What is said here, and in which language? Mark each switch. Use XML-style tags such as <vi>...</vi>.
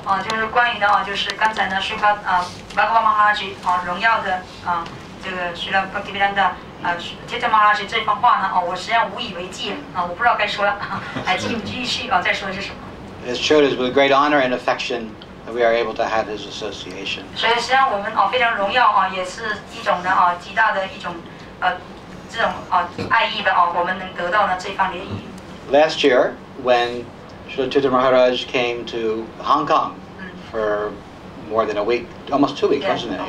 <zh>就是关于的就是刚才呢是把Bhagavan Maharaj荣耀的这个是的 Bhaktivedanta Tirtha Maharaj 这番话呢我实际上无以为继我不知道该说了还继续再说些什么。</zh> <en>It's true, it's with great honor and affection. That we are able to have his association.</en> <zh>So, 实际上我们非常荣耀也是一种的极大的一种这种爱意吧我们能得到呢这番联谊。</zh> <en>Last year, when Srila Tirtha Maharaj came to Hong Kong for more than a week, almost 2 weeks, wasn't it?</en>